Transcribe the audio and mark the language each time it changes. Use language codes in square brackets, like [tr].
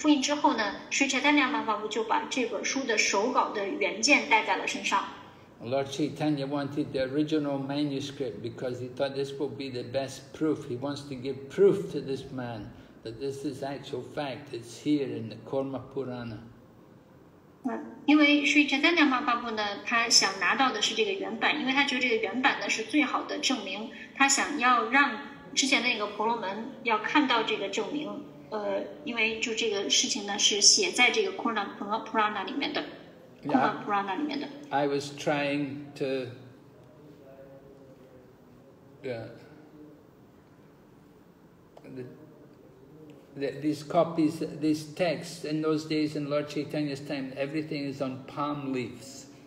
[zh] 复印之后呢，水彩丹娘妈妈就把这本书的手稿的原件带在了身上。 [en] Lord Chaitanya wanted the original manuscript because he thought this would be the best proof. He wants to give proof to this man that this is actual fact. It's here in the Korma Purana. [zh] 因为水彩丹娘妈妈呢，他想拿到的是这个原版，因为他觉得这个原版呢是最好的证明。他想要让之前那个婆罗门要看到这个证明，因为就这个事情呢是写在这个 Purana 里面的。 Purana 里面的。 [en] I was trying to, these copies, these texts in those days in Lord Chaitanya's time, everything is on palm leaves.